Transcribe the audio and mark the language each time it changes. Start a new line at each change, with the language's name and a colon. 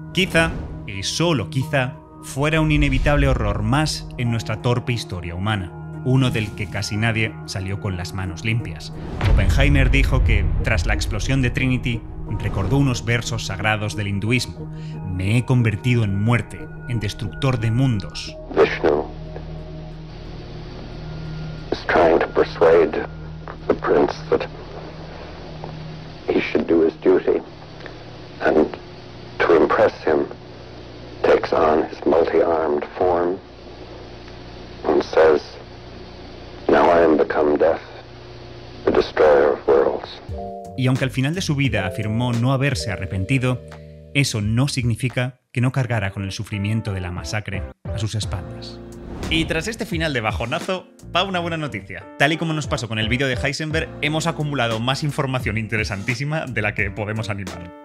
Spanish: Quizá, y solo quizá, fuera un inevitable horror más en nuestra torpe historia humana. Uno del que casi nadie salió con las manos limpias. Oppenheimer dijo que, tras la explosión de Trinity, recordó unos versos sagrados del hinduismo: me he convertido en muerte, en destructor de mundos.
English: Vishnu is trying to persuade the prince that he should do his duty, and to impress him takes on his multi-armed form and says, now I am become death, the destroyer of worlds.
Spanish: Y aunque al final de su vida afirmó no haberse arrepentido, eso no significa que no cargara con el sufrimiento de la masacre a sus espaldas. Y tras este final de bajonazo, va una buena noticia. Tal y como nos pasó con el vídeo de Heisenberg, hemos acumulado más información interesantísima de la que podemos animar.